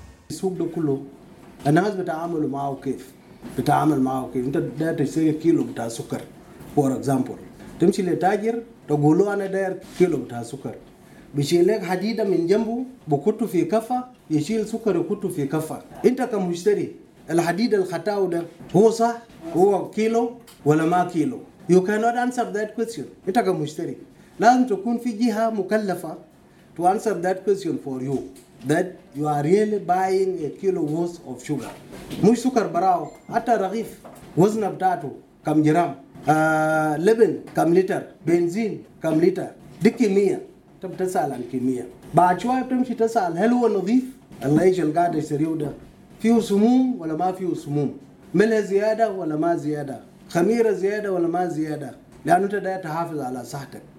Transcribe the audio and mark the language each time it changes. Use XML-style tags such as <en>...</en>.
<ar>السوق ده كله الناس بتعاملوا معه كيف؟ انت داير تشتري كيلو بتاع سكر</ar> <en>for example,</en> <ar>تمشي للتاجر تقول له انا داير كيلو بتاع سكر، بيشيل لك حديدة من جنبه بكتو في كفة، يشيل سكر بكتو في كفة. انت كمشتري الحديد الخطاو ده هو صح هو كيلو ولا ما كيلو؟</ar> <en>You cannot answer that question.</en> <ar>انت كمشتري لازم تكون في جهة مكلفة</ar> <en>to answer that question for you that you are really buying a kilo worth of sugar.</en> <ar>مش سكر براو، حتى رغيف وزن بتاعته كم جرام، لبن كم لتر، بنزين كم لتر، دي كمية تم تسأل عن كمية. بعد شوية تمشي تسأل هل هو نظيف؟ الله يجعل قاعدة سريو ده. فيه سموم ولا ما فيه سموم؟ ملح زيادة ولا ما زيادة؟ خميرة زيادة ولا ما زيادة؟ لأن انت داير تحافظ على صحتك.</ar>